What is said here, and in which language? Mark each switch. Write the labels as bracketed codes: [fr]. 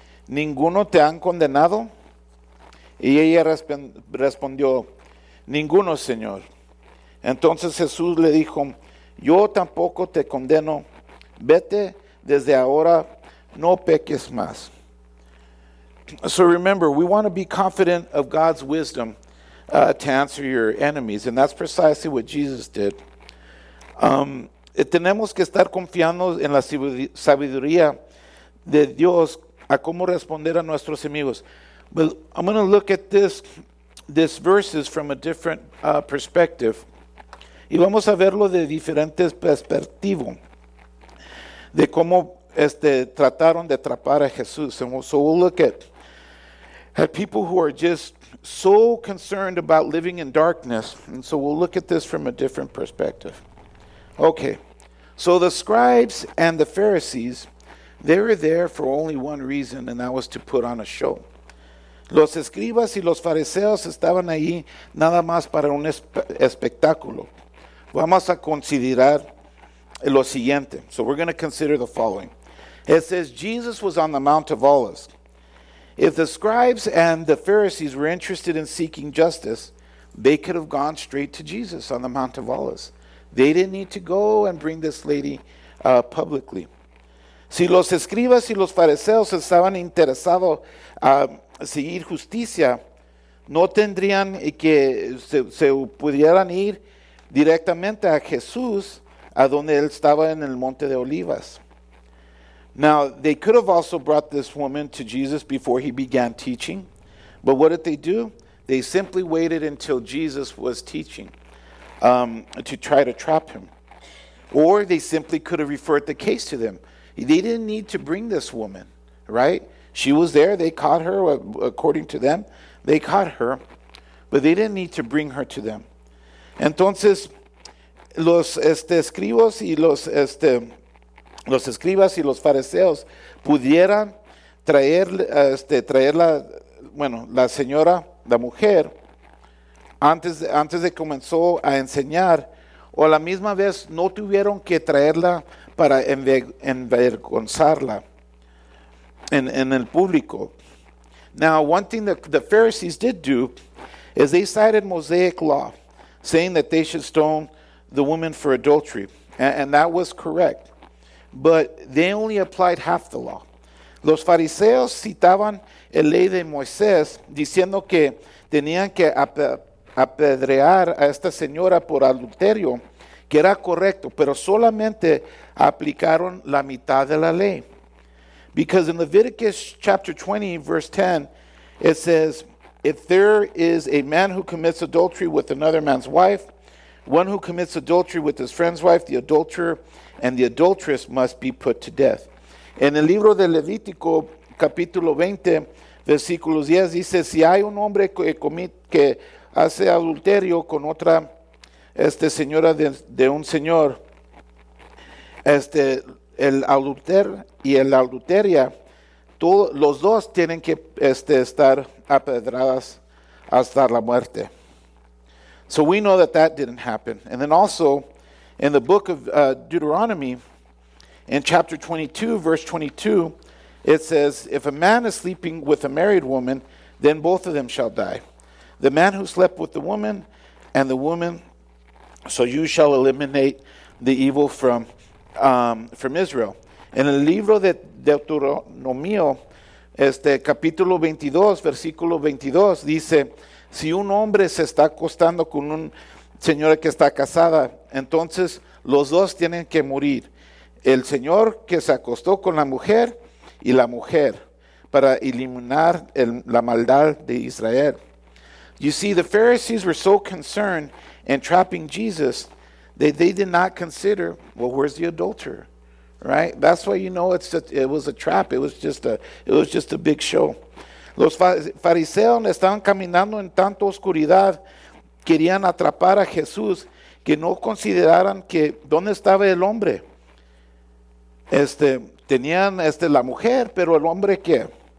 [es] ¿Ninguno te han condenado? Y ella respondió: ninguno, Señor. Entonces Jesús le dijo: yo tampoco te condeno, vete, desde ahora no peques más. [en] So remember, we want to be confident of God's wisdom to answer your enemies, and that's precisely what Jesus did. [es] Tenemos que estar confiando en la sabiduría de Dios a cómo responder a nuestros enemigos. [en] But I'm going to look at this verses from a different perspective. [es] Y vamos a verlo de diferentes perspectivos de cómo trataron de atrapar a Jesús. [en] And so we'll look at people who are just so concerned about living in darkness. And so we'll look at this from a different perspective. Okay, so the scribes and the Pharisees, they were there for only one reason, and that was to put on a show. [es] Los escribas y los fariseos estaban ahí nada más para un espectáculo. Vamos a considerar lo siguiente. [en] So we're going to consider the following. It says Jesus was on the Mount of Olives. If the scribes and the Pharisees were interested in seeking justice, they could have gone straight to Jesus on the Mount of Olives. They didn't need to go and bring this lady publicly. [es] Si los escribas y los fariseos estaban interesados a seguir justicia, no tendrían que se pudieran ir directamente a Jesús, a donde él estaba en el Monte de Olivas. [en] Now, they could have also brought this woman to Jesus before he began teaching. But what did they do? They simply waited until Jesus was teaching to try to trap him. Or they simply could have referred the case to them. They didn't need to bring this woman, right? She was there. They caught her, according to them. They caught her, but they didn't need to bring her to them. [es] Entonces, los escribas y los fariseos pudieran traer la señora, la mujer, antes de comenzó a enseñar, o a la misma vez no tuvieron que traerla para envergonzarla en el público. [en] Now, one thing that the Pharisees did do is they cited Mosaic law, saying that they should stone the woman for adultery. And that was correct. But they only applied half the law. [es] Los fariseos citaban el ley de Moisés, diciendo que tenían que apedrear a esta señora por adulterio, que era correcto, pero solamente aplicaron la mitad de la ley. [en] Because in Leviticus chapter 20, verse 10, it says, if there is a man who commits adultery with another man's wife, one who commits adultery with his friend's wife, the adulterer and the adulteress must be put to death. [es] En el libro de Levítico, capítulo 20, versículos 10, dice, si hay un hombre que hace adulterio con otra señora de un señor, el adulter y el adulteria, los dos tienen que estar apedradas hasta la muerte. [en] So we know that that didn't happen. And then also, in the book of Deuteronomy, in chapter 22, verse 22, it says, if a man is sleeping with a married woman, then both of them shall die. The man who slept with the woman and the woman, so you shall eliminate the evil from Israel. [es] En el libro de Deuteronomio, capítulo 22, versículo 22, dice, si un hombre se está acostando con una señora que está casada, entonces los dos tienen que morir. El señor que se acostó con la mujer y la mujer, para eliminar la maldad de Israel. [en] You see, the Pharisees were so concerned in trapping Jesus that they did not consider, well, where's the adulterer? Right, that's why you know it was a trap. It was just a big show. [es] Los fariseos estaban caminando en tanta oscuridad, querían atrapar a Jesús, que no consideraran que dónde estaba el hombre. Tenían la mujer, pero el hombre qué.